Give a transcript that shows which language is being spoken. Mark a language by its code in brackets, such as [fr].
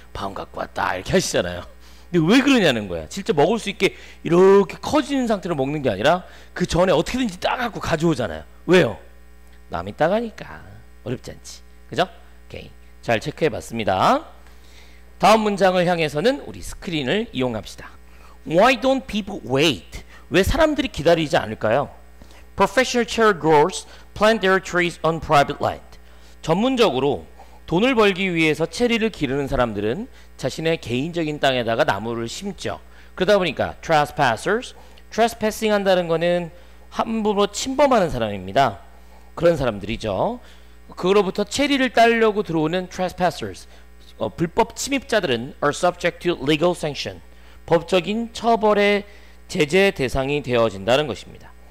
[ko] 밤 갖고 왔다 이렇게 하시잖아요. 근데 왜 그러냐는 거야. 진짜 먹을 수 있게 이렇게 커진 상태로 먹는 게 아니라 그 전에 어떻게든지 따갖고 가져오잖아요. 왜요? 남이 따가니까 어렵지 않지. 그죠? 오케이. 잘 체크해봤습니다. 다음 문장을 향해서는 우리 스크린을 이용합시다. [en] Why don't people wait? [ko] 왜 사람들이 기다리지 않을까요? [en] Professional cherry growers plant their trees on private land. [ko] 전문적으로 돈을 벌기 위해서 체리를 기르는 사람들은 자신의 개인적인 땅에다가 나무를 심죠. 그러다 보니까 trespassers, trespassing 한다는 거는 함부로 침범하는 사람입니다. 그런 사람들이죠. 그로부터 체리를 따려고 들어오는 trespassers, 불법 침입자들은 [en] are subject to legal sanction, [ko] 법적인 처벌의 제재 대상이 되어진다는 것입니다.